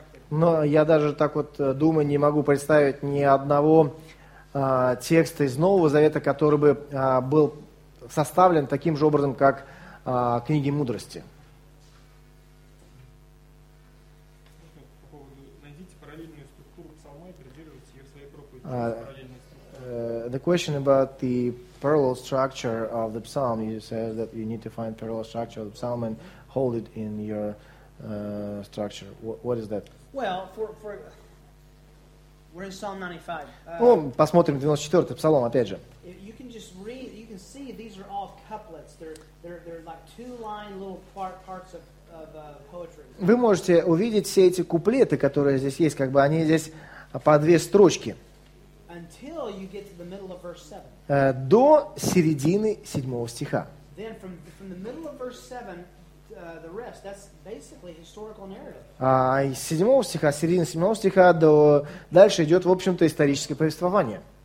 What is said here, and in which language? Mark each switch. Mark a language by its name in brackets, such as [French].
[Russian] Но я даже так вот думаю, не могу представить ни одного текста из Нового Завета, который бы был составлен таким же образом, как книги мудрости. Найдите параллельную структуру псалма и придерживайтесь ее в своей проповеди. [English] The question about the parallel structure of the psalm. You said that you need to find parallel structure of the psalm and hold it in your structure. What is that? Well, for we're in Psalm 95. [Russian] Ну, посмотрим 94-й псалом, опять же. [English] You can just read, you can see these are all couplets. They're like two-line little parts of poetry. [Russian] Вы можете увидеть все эти куплеты, которые здесь есть, как бы они здесь по две строчки. [English] Until you get to the middle of verse 7. [Russian] До середины 7-го стиха. [English] Then from the middle of verse 7, the rest, that's basically historical narrative. [Russian] С 7 стиха, с середины 7 стиха до дальше идет, в общем-то, историческое повествование.